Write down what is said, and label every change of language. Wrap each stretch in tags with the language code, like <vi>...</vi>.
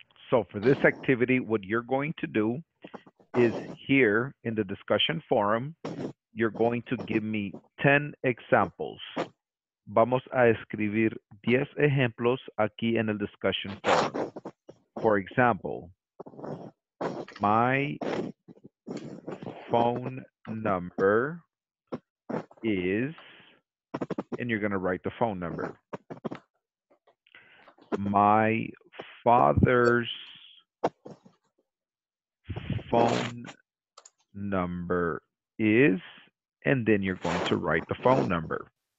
<en>So for this activity, what you're going to do is here in the discussion forum, you're going to give me 10 examples.</en> <es>Vamos a escribir 10 ejemplos aquí en el discussion forum.</es> <en>For example, my phone number is, and you're going to write the phone number. My father's phone number is, and then you're going to write the phone number.</en>